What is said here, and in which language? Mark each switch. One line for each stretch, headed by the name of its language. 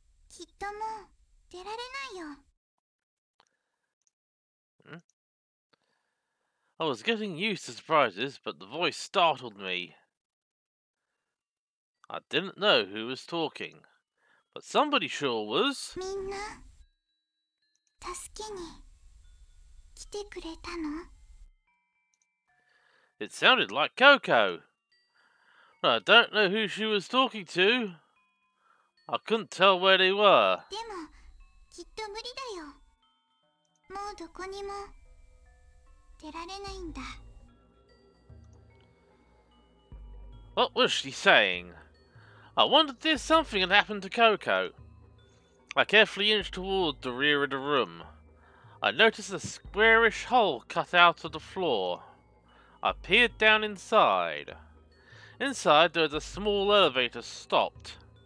Japanese: きっともう出られないよ。
English: I was getting used to surprises, but the voice startled me. I didn't know who was talking, but somebody sure was.
Japanese: みんな、助けに来てくれたの?
English: It sounded like Coco. But I don't know who she was talking to. I couldn't tell where they were.
Japanese: でも、きっと無理だよ。もうどこにも出られないんだ。
English: What was she saying? I wonder if there's something that happened to Coco. I carefully inched toward the rear of the room. I noticed a squarish hole cut out of the floor. I peered down inside. Inside, there was a small elevator stopped.